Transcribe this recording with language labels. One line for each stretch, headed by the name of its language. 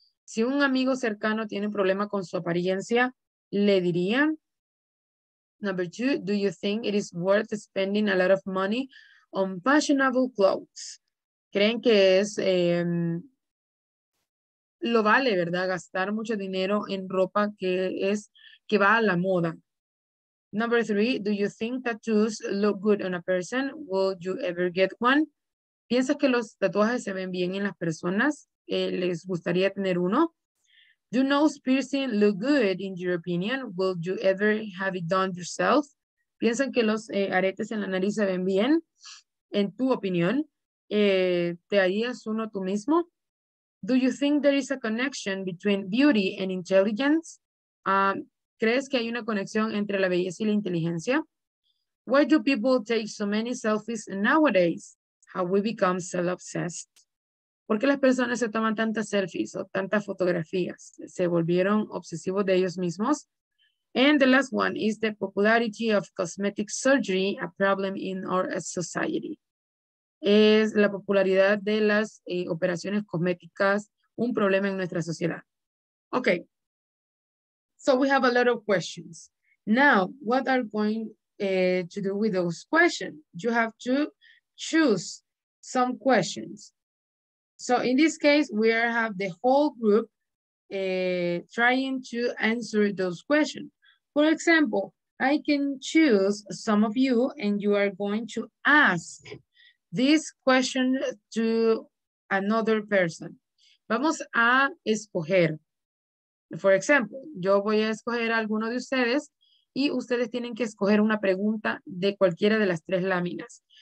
Spanish: Si un amigo cercano tiene un problema con su apariencia, ¿le dirían?
English: Number 2, do you think it is worth spending a lot of money on fashionable clothes?
Spanish: ¿Creen que es lo vale, verdad, gastar mucho dinero en ropa que va a la moda?
English: Number 3, do you think tattoos look good on a person? Will you ever get one?
Spanish: ¿Piensas que los tatuajes se ven bien en las personas? ¿Les gustaría tener uno?
English: Do nose piercing look good in your opinion? Will you ever have it done yourself?
Spanish: ¿Piensan que los aretes en la nariz se ven bien? En tu opinión, ¿te harías uno tú mismo?
English: Do you think there is a connection between beauty and intelligence?
Spanish: ¿Crees que hay una conexión entre la belleza y la inteligencia?
English: Why do people take so many selfies nowadays? How we become self-obsessed.
Spanish: ¿Por qué las personas se toman tantas selfies o tantas fotografías? ¿Se volvieron obsesivos de ellos mismos?
English: And the last one, is the popularity of cosmetic surgery a problem in our society?
Spanish: ¿Es la popularidad de las operaciones cosméticas un problema en nuestra sociedad?
English: Okay, so we have a lot of questions. Now, what are going to do with those questions? You have to choose some questions. So in this case, we have the whole group trying to answer those questions. For example, I can choose some of you and you are going to ask this question to another person.
Spanish: Vamos a escoger.
English: For example,
Spanish: yo voy a escoger a alguno de ustedes y ustedes tienen que escoger una pregunta de cualquiera de las tres láminas.